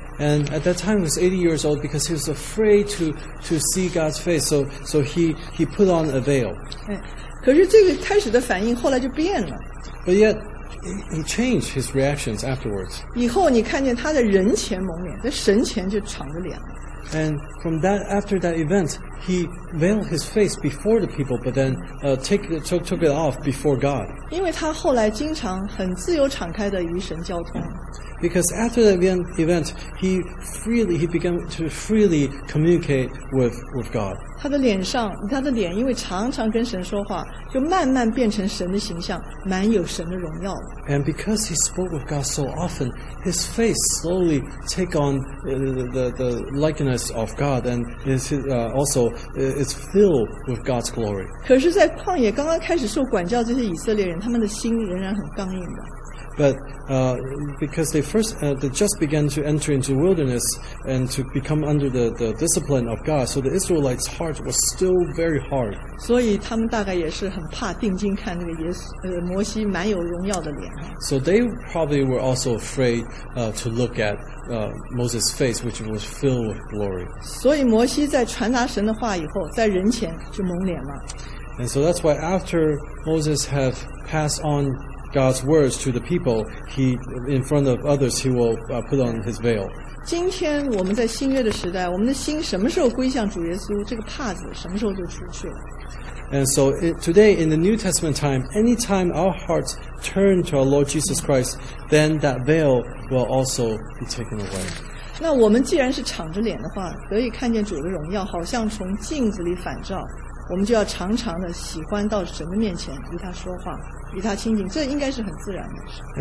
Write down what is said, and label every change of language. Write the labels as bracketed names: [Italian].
[English] And at that time, he was 80 years old because he was afraid to see God's face. So he put on a veil. [Chinese] 可是这个开始的反应后来就变了。 [English] But yet, he changed his reactions afterwards. [Chinese] 以后你看见他在人前蒙脸，在神前就敞着脸了。 [English] And from that, after that event, he veiled his face before the people, but then took it off before God. [Chinese] 因为他后来经常很自由敞开的与神交通。 [English] Because after that event, he began to freely communicate with God. [Chinese] 他的脸，因为常常跟神说话，就慢慢变成神的形象，满有神的荣耀。 [English] And because he spoke with God so often, his face slowly take on the likeness of God, and is filled with God's glory. [Chinese] 可是，在旷野刚刚开始受管教这些以色列人，他们的心仍然很刚硬的。 [English] But because they just began to enter into wilderness and to become under the discipline of God, so the Israelites' heart was still very hard. [Chinese] 所以他们大概也是很怕定睛看那个摩西满有荣耀的脸。 [English] So they probably were also afraid to look at Moses' face, which was filled with glory. [Chinese] 所以摩西在传达神的话以后，在人前就蒙脸了。 [English] And so that's why after Moses have passed on. God's words to the people, he in front of others, he will put on his veil. [Chinese] 今天我们在新约的时代，我们的心什么时候归向主耶稣，这个帕子什么时候就除去了。 [English] And so today in the New Testament time, any time our hearts turn to our Lord Jesus Christ, then that veil will also be taken away. [Chinese] 那我们既然是敞着脸的话，得以看见主的荣耀，好像从镜子里反照，我们就要常常的喜欢到神的面前与他说话。与他亲近，这应该是很自然的。